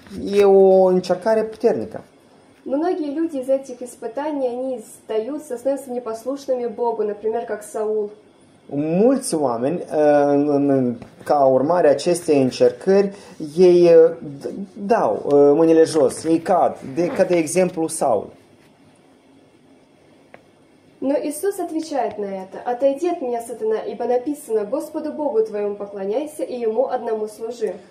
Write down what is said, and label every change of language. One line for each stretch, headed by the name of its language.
Romanian: E o încercare puternică.
Russian: Многие люди из этих испытаний, они остаются, становятся непослушными Богу, например, как Саул.
Romanian: Mulți oameni, ca urmare acestei încercări, ei dau mâinile jos, ei cad, ca de exemplu Saul.
Russian: Но Иисус отвечает на это: «Отойди от меня, сатана, ибо написано: Господу Богу твоему поклоняйся и ему одному служи».